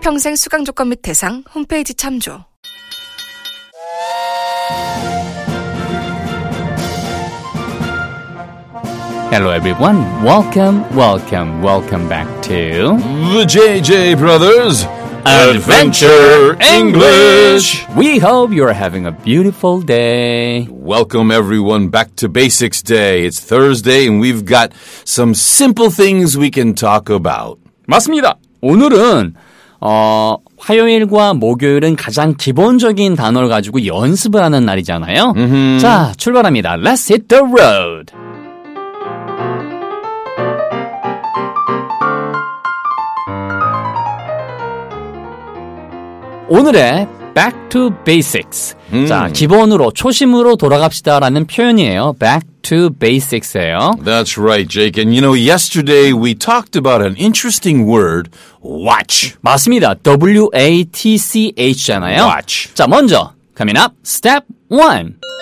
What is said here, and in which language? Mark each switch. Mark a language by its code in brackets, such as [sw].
[ko] 평생 수강 조건 및 대상 홈페이지 참조. [en] 헬로 에브리원, 웰컴 back to The JJ Brothers Adventure English. We hope you're having a beautiful day. Welcome everyone back to Basics Day. It's Thursday and we've got some simple things we can talk about. [ko] 맞습니다. 오늘은 화요일과 목요일은 가장 기본적인 단어를 가지고 연습을 하는 날이잖아요. Mm-hmm. 자, 출발합니다. [en] Let's hit the road. [ko] 오늘의 [en] Back to Basics. [ko] 자, 기본으로, 초심으로 돌아갑시다 라는 표현이에요. [en] Back to Basics예요. That's right, Jake. And you know, yesterday we talked about an interesting word, watch. [ko] 맞습니다. W-A-T-C-H잖아요. [en] Watch. [ko] 자, 먼저, [en] coming up, step one.